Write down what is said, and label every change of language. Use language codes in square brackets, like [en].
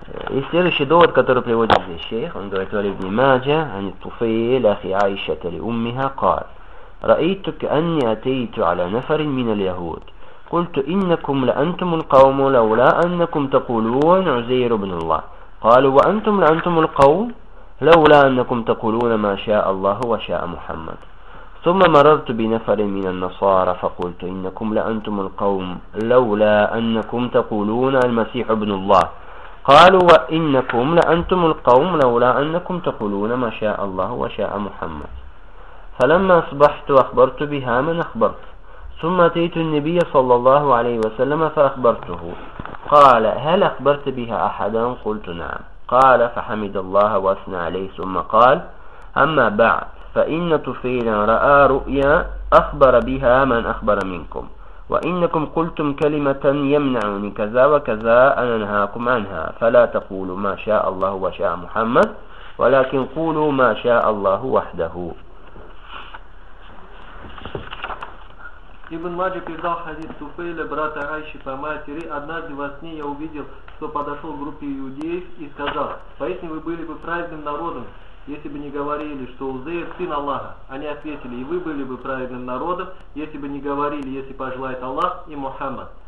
[ru] И следующий довод, который приводит здесь шейх, он говорит, [ar] «Валиб Немаджа, ани Туфейль, ахи Айша, тали уммиха, кар, раиту ки анни атейту аля нафарин минал яхуд, культу иннакум ла антуму лкауму лаула аннакум такулуан Узейру бин Аллах, калу ва антум ла антуму лкаум лаула аннакум такулуан ма шаа Аллаху ва шаа Мухаммад». ثم مررت بنفر من النصارى فقلت إنكم لأنتم القوم لولا أنكم تقولون المسيح ابن الله قالوا وإنكم لأنتم القوم لولا أنكم تقولون ما شاء الله وشاء محمد فلما أصبحت أخبرت بها من أخبرت ثم أتيت النبي صلى الله عليه وسلم فأخبرته قال هل أخبرت بها أحدا قلت نعم قال فحمد الله وأثنى عليه ثم قال أما بعد فإن طفيلا رأى رؤيا أخبر بها من أخبر منكم وإنكم قلتم كلمة يمنعني كذا وكذا أن أنهاكم عنها فلا تقولوا ما شاء الله وشاء محمد ولكن قولوا ما شاء الله وحده. [ru] Ибн Маджа передал хадис Туфейля, брата Айши по матери, однажды во сне я увидел, что подошел к группе иудеев и сказал, поистине вы были бы праведным народом, если бы не говорили, что Узейр сын Аллаха. Они ответили, и вы были бы праведным народом, если бы не говорили, если пожелает Аллах и Мухаммад.